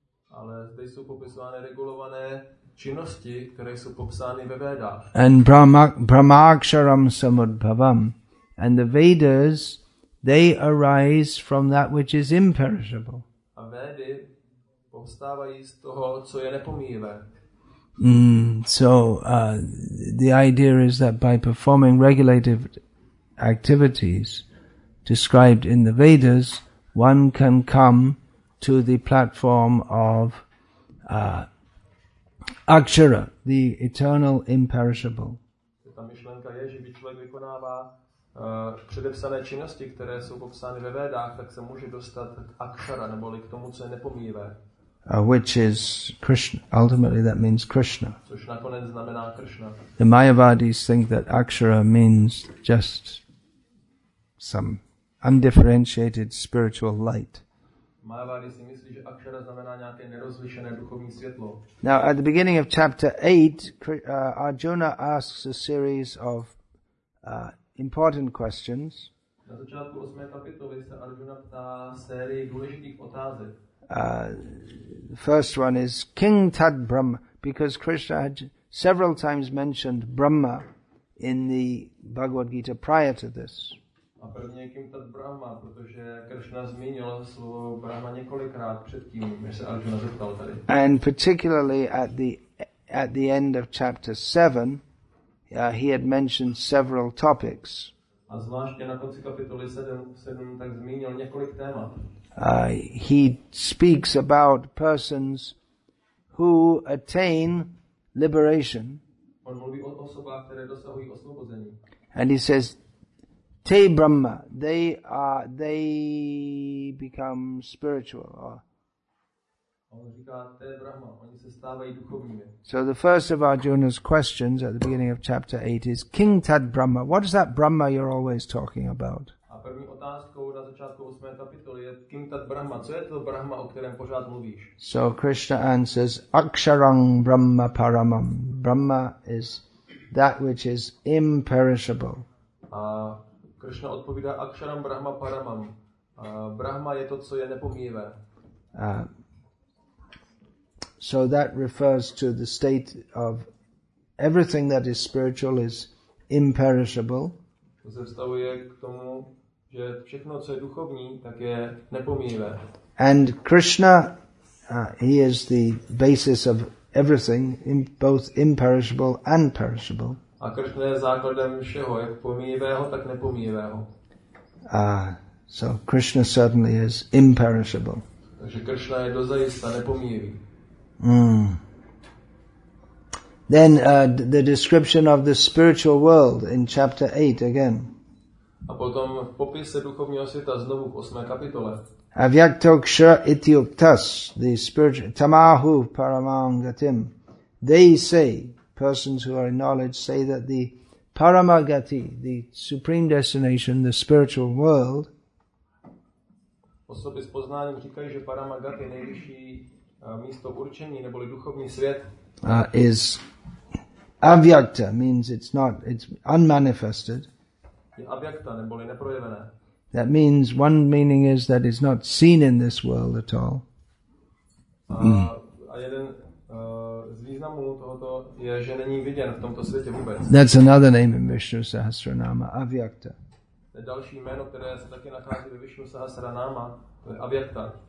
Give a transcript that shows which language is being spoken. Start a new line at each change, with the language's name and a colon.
Czech: Ale zde jsou popisované regulované činnosti, které jsou popsány ve Vedách.
Sanskrit: And brahmaksharam samudbhavam.
English: And the Vedas, they arise from that which is imperishable.
Czech: A Vedy povstávají z toho, co je nepomíjivé.
English: So the idea is that by performing regulative activities described in the Vedas, one can come to the platform of Akshara, the eternal imperishable.
Czech: Ta myšlenka je, že by člověk vykonává předepsané činnosti, které jsou popsány ve Vedách, tak se může dostat k Akshara, neboli k tomu, co je nepomíjivé.
English: Which is Krishna. Ultimately, that means Krishna.
Czech: Což nakonec znamená Krishna.
English: The Mayavadis think that Akshara means just some undifferentiated spiritual light.
Czech: Mayavadi si myslí, že Akshara znamená nějaké nerozlišené duchovní světlo.
English: Now, at the beginning of chapter 8, Arjuna asks a series of important questions.
Czech: Na začátku 8. kapitoly se Arjuna ptá série důležitých otázek.
English: The first one is King Tad Brahma, because Krishna had several times mentioned Brahma in the Bhagavad Gita prior to this.
Czech: A první je Kim Tad Brahma, protože Krishna zmínil slovo Brahma několikrát předtím, než se Arjuna zeptal tady.
English: And particularly at the end of chapter 7, he had mentioned several topics.
Czech: A zvláště na konci kapitoly 7 tak zmínil několik témat.
English: He speaks about persons who attain liberation.
Czech: On mluví o osobách, které dosahují osvobození.
English: And he says, te brahma, they become spiritual.
Czech: On říká, te brahma, oni se stávají duchovními.
English: So the first of Arjuna's questions at the beginning of chapter 8 is, King Tad Brahma, what is that Brahma you're always talking about?
Czech: První otázkou na začátku 8. kapitoly je Kim Tad Brahma, co je to Brahma, o kterém pořád mluvíš?
English: So Krishna answers,
Sanskrit: Aksharam Brahma Paramam.
English: Brahma is that which is imperishable.
Czech: A Krishna odpovídá,
Sanskrit: Aksharam Brahma Paramam.
Czech: Brahma je to, co je nepomíjivé.
English: So that refers to the state of everything that is spiritual is imperishable.
Czech: To se vztahuje k tomu, že všechno, co je duchovní, tak je nepomíjivé.
English: And Krishna, he is the basis of everything, in both imperishable and perishable.
Czech: A Krishna je základem všeho, jak pomíjivého, tak nepomíjivého.
English: So Krishna certainly is imperishable.
Czech: Takže Krishna je dozajista nepomíjivý.
English: Then the description of the spiritual world in chapter 8 again.
Czech: A potom v popise duchovního světa znovu v 8. kapitole.
Sanskrit: Avyaktokṣa ityuktas,
English: the spiritual,
Sanskrit: tamāhu paramāṅgatim.
English: They say, persons who are in knowledge, say that the paramāṅgati, the supreme destination, the spiritual world,
Czech: osoby s poznáním říkají, že paramāṅgati, nejvyšší místo určení, neboli duchovní svět,
English: is avyakta, means it's not, it's unmanifested.
Czech: Abjakta, neboli neprojevené.
English: That means one meaning is that it's not seen in this world at all.
Czech: A jeden z významů tohoto je, že není viděn v tomto světě vůbec.
English: That's another name in Vishnu Sahasranama, Avyakta.
Czech: To je další jméno, které se taky nachází ve Vishnu Sahasranama, to je Avyakta.